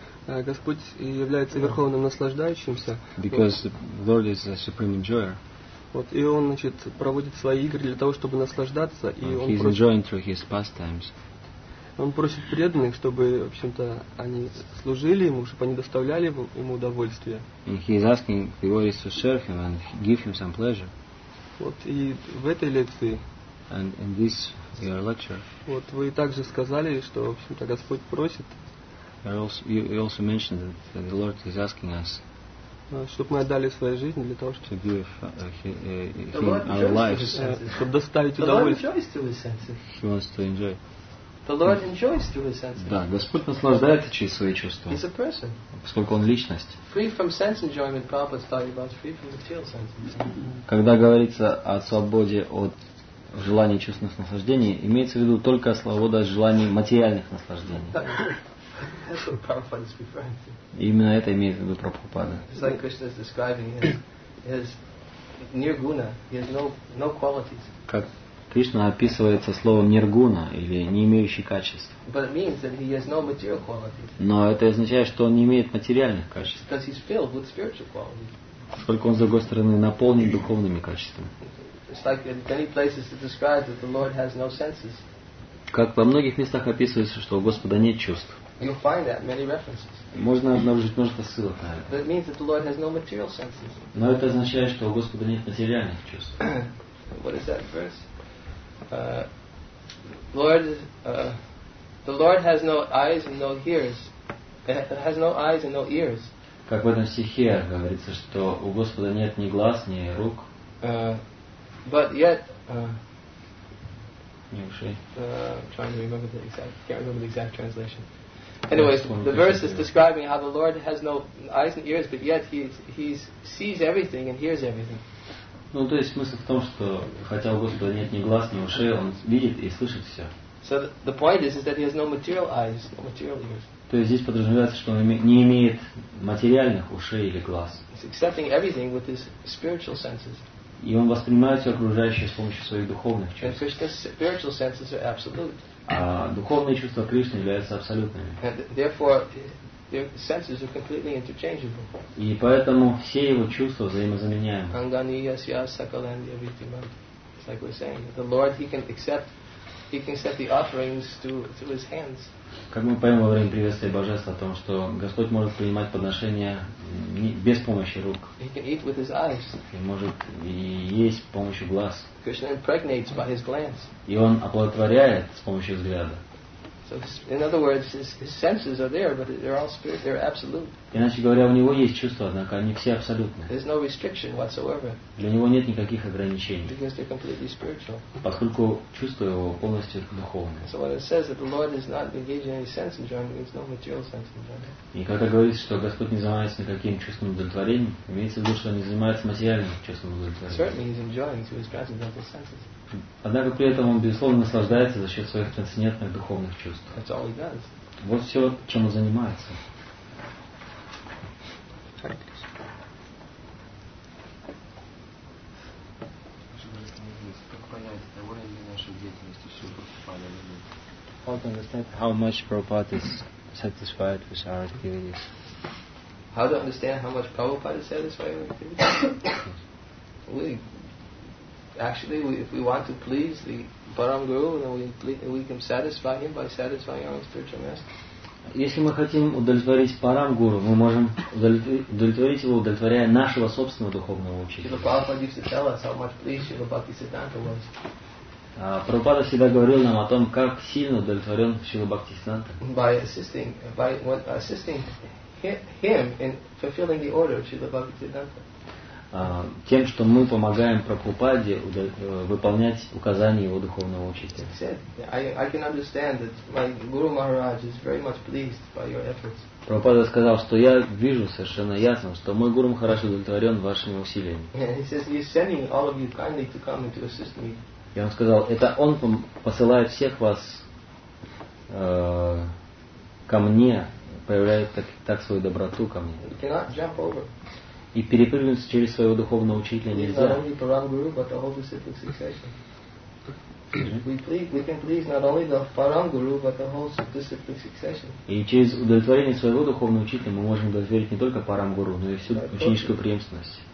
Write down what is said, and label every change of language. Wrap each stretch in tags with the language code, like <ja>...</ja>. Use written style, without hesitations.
<ru>Господь является верховным наслаждающимся.</ru> <en>Because the Lord is a supreme enjoyer.</en> <ru>Вот, и он, значит, проводит свои игры для того, чтобы наслаждаться, и он.</ru> <en>He is enjoying through his pastimes.</en> <ru>Он просит преданных, чтобы, в общем-то, они служили ему, чтобы они доставляли ему удовольствие.</ru> <en>And he is asking devotees to serve him and give him some pleasure.</en> <ru>Вот и в этой лекции.</ru> <en>And in this your lecture.</en> <ru>Вот вы также сказали, что, в общем-то, Господь просит.</ru> <en>You also mentioned that the Lord is asking us.</en> <ru>Чтобы мы отдали свою жизнь для того, чтобы</ru> <en>give him our lives.</en> <ru>Чтобы доставить удовольствие.</ru> <en>The Lord enjoys through his senses. He wants to enjoy. The Lord enjoys through his senses.</en> <ru>Да, Господь наслаждается через свои чувства.</ru> <en>He's a person.</en> <ru>Поскольку он личность.</ru> <en>Free from sense enjoyment, Prabhupada's talking about free from material sense enjoyment.</en> <ru>Когда говорится о свободе от желаний чувственных наслаждений, имеется в виду только свобода от желаний материальных наслаждений.</ru> <en>That's what Prabhupada is referring to.</en> <ru>И именно это имеет в виду Прабхупада.</ru> <en>It's like Krishna is describing his nirguna, he has no qualities.</en> <ru>Как Кришна описывается словом ниргуна или не имеющий качеств.</ru> <en>But it means that he has no material qualities.</en> <ru>Но это означает, что он не имеет материальных качеств.</ru> <en>Because he's filled with spiritual qualities.</en> <ru>Поскольку он, с другой стороны, наполнен духовными качествами.</ru> <en>It's like in many places it describes that the Lord has no senses.</en> <ru>Как во многих местах описывается, что у Господа нет чувств.</ru> <en>You'll find that in many references.</en> <ru>Можно обнаружить множество ссылок на это.</ru> <en>But it means that the Lord has no material senses.</en> <ru>Но это означает, что у Господа нет материальных чувств.</ru> <en>What is that verse? Lord, the Lord has no eyes and no ears. Has no eyes and no ears.</en> <ru>Как в этом стихе говорится, что у Господа нет ни глаз, ни рук.</ru> <en>But yet,</en> <ru>не ушей.</ru> <en>I'm trying to remember the exact. Can't remember the exact translation. Anyways, the verse is describing how the Lord has no eyes and ears, but yet he sees everything and hears everything.</en> <ru>Ну, то есть смысл в том, что хотя у Господа нет ни глаз, ни ушей, он видит и слышит все.</ru> <en>So the point is that he has no material eyes, no material ears.</en> <ru>То есть здесь подразумевается, что он не имеет материальных ушей или глаз.</ru> <en>He's accepting everything with his spiritual senses.</en> <ru>И он воспринимает все окружающее с помощью своих духовных чувств.</ru> <en>And Krishna's spiritual senses are absolute.</en> <ru>А духовные чувства Кришны являются абсолютными.</ru> <en>And therefore, their senses are completely interchangeable.</en> <ru>И поэтому все его чувства взаимозаменяемы.</ru> <en>Anganiya, Sya, Sakalandiya, Vittima. It's like we're saying. The Lord, he can accept he can set the offerings to his hands.</en> <ru>Как мы поймем во время приветствия Божества о том, что Господь может принимать подношения без помощи рук.</ru> <en>He can eat with his eyes.</en> <ru>И может есть с помощью глаз.</ru> <en>Krishna impregnates by his glance.</en> <ru>И он оплодотворяет с помощью взгляда.</ru> <en>So in other words, his senses are there, but they're all spirit, they're absolute.</en> <ru>Иначе говоря, у него есть чувства, однако они все абсолютные.</ru> <en>There's no restriction whatsoever.</en> <ru>Для него нет никаких ограничений.</ru> <en>Because they're completely spiritual.</en> <ru>Поскольку чувства его полностью духовные.</ru> <en>So when it says that the Lord is not engaged in any sense enjoyment, it's no material sense enjoyment.</en> <ru>И когда говорится, что Господь не занимается никаким чувством удовлетворения, имеется в виду, что он не занимается материальным чувством удовлетворения.</ru> <en>Certainly he's enjoying through his transcendental senses.</en> <ru>Однако при этом он, безусловно, наслаждается за счет своих трансцендентных духовных чувств.</ru> <en>That's all he does.</en> <ru>Вот все, чем он занимается. Как понять, довольны ли наши деятельности, все покупали или нет?</ru> <en>How to understand how much Prabhupada is satisfied with our activities? How to understand how much Prabhupada is satisfied with our activities? Actually, if we want to please the Param Guru, then we can satisfy him by satisfying our spiritual master.</en> <ru>Если мы хотим удовлетворить Param Guru, мы можем удовлетворить его, удовлетворяя нашего собственного духовного учителя.</ru> <en>Srila Prabhupada used to tell us how much pleased Srila Bhaktisiddhanta was.</en> <ru>Prabhupada всегда говорил нам о том, как сильно удовлетворен Srila Bhaktisiddhanta.</ru> <en>By assisting him in fulfilling the order of Srila Bhaktisiddhanta.</en> <ru>Тем, что мы помогаем Прабхупаде выполнять указания его духовного учителя.</ru> <en>I can understand that my Guru Maharaj is very much pleased by your efforts.</en> <ru>Прабхупада сказал, что я вижу совершенно ясно, что мой Гуру хорошо удовлетворен вашими усилиями.</ru> <en>He says he's sending all of you kindly to come and to assist me.</en> <ru>Я вам сказал, это он посылает всех вас ко мне, проявляет так свою доброту ко мне.</ru> <en>You cannot jump over.</en> <ru>И перепрыгнуть через своего духовного учителя нельзя.</ru> <en>Not only Param Guru, but the whole Pacific succession. We can please not only the Param Guru, but the whole Pacific succession.</en> <ru>И через удовлетворение своего духовного учителя мы можем удовлетворить не только Param Guru, но и всю ученическую преемственность.</ru>